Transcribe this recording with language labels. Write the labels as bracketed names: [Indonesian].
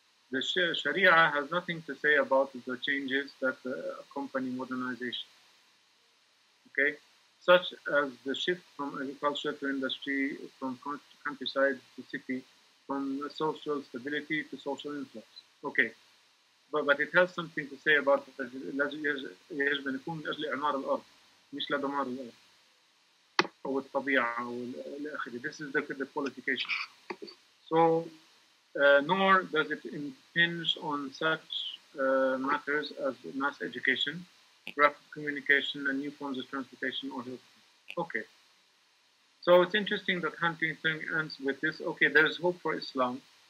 [English] The Sharia has nothing to say about the changes that accompany modernization. Okay? such as the shift from agriculture to industry, from countryside to city, from social stability to social influx. Okay, but it has something to say about that. [Arabic] يجب أن يكون لأجل إعمار الأرض مش لدمار الأرض أو الطبيعة أو الأخير. [English] This is the qualification. So, nor does it impinge on such matters as mass education, rapid communication, and new forms of transportation or health. Okay. So it's interesting that Huntington ends with this. Okay, there is hope for Islam.